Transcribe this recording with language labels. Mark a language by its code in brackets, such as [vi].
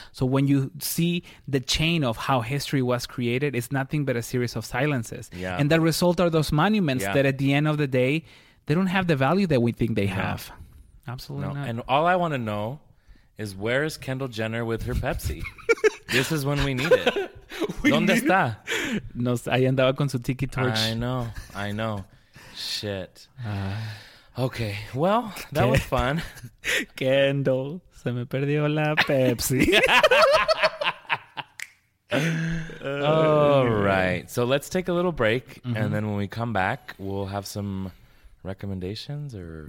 [en] So when you see the chain of how history was created, it's nothing but a series of silences. Yeah. And the result are those monuments that at the end of the day, they don't have the value that we think they have. Absolutely not. And all I want to know is, where is Kendall Jenner with her Pepsi? This is when we need it. [es] ¿Dónde está? No, ahí andaba con su tiki torch. [en] I know. Shit. Okay. Well, that was fun. [es] Kendall, se me perdió la Pepsi. [en] All right. So let's take a little break. Mm-hmm. And then when we come back, we'll have some recommendations or...